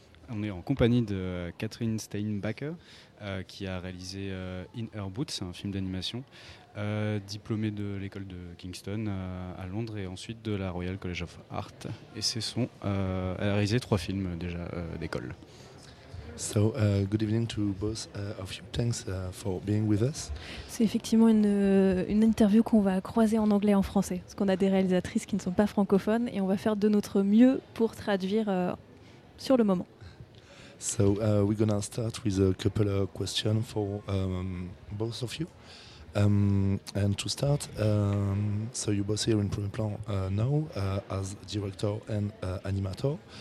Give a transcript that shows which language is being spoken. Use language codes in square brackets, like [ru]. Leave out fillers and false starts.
[fr] On est en compagnie de Catherine Steinbacher, qui a réalisé In Her Boots, un film d'animation, diplômée de l'école de Kingston à Londres et ensuite de la Royal College of Art. Et c'est son... Elle a réalisé trois films déjà d'école. [en] So, good evening to both of you. Thanks for being with us. [fr] C'est effectivement une interview qu'on va croiser en anglais et en français, parce qu'on a des réalisatrices qui ne sont pas francophones, et on va faire de notre mieux pour traduire sur le moment. [en] So, we're gonna start with a couple of questions for both of you. And to start, so you both here in Premier Plan now as director and animator.